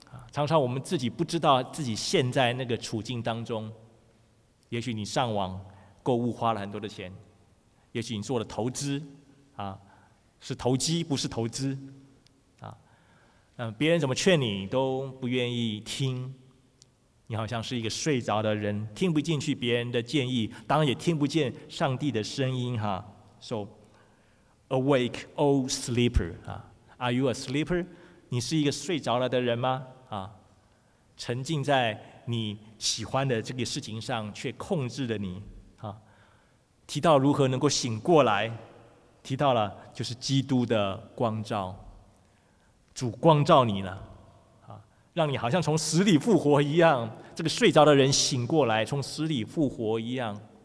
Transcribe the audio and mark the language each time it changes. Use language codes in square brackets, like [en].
[zh] 常常我们自己不知道自己陷在那个处境当中，也许你上网购物花了很多的钱，也许你做了投资啊，是投机不是投资啊，别人怎么劝你都不愿意听，你好像是一个睡着的人，听不进去别人的建议，当然也听不见上帝的声音哈。 [en] So awake, O sleeper, are you a sleeper? [zh] 你是一个睡着了的人吗？沉浸在你喜欢的这个事情上，却控制了你啊。提到如何能够醒过来，提到了就是基督的光照，主光照你了啊，让你好像从死里复活一样，这个睡着的人醒过来，从死里复活一样。